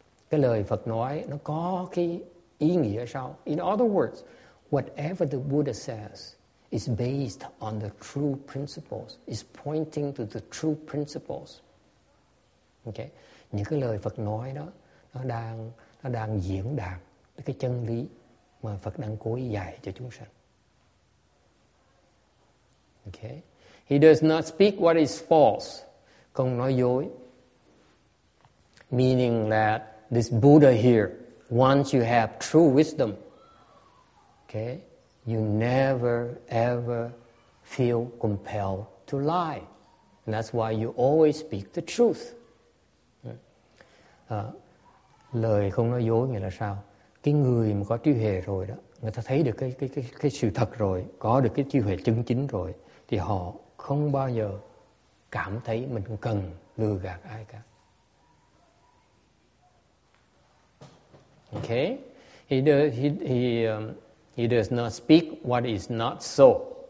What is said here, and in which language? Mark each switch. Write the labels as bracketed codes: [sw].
[vi] Cái lời Phật nói nó có cái ý nghĩa sao? [en] In other words, whatever the Buddha says is based on the true principles, is pointing to the true principles. Okay? [vi] Những cái lời Phật nói đó nó đang diễn đạt cái chân lý mà Phật đang cố dạy cho chúng sanh. [en] Okay, he does not speak what is false. [vi] Không nói dối. [en] Meaning that this Buddha here, once you have true wisdom, okay, you never ever feel compelled to lie. And that's why you always speak the truth. [vi] Lời không nói dối nghĩa là sao? Cái người mà có trí huệ rồi đó, người ta thấy được cái sự thật rồi, có được cái trí huệ chân chính rồi, thì họ không bao giờ cảm thấy mình cần lừa gạt ai cả. [en] Okay, he does not speak what is not so.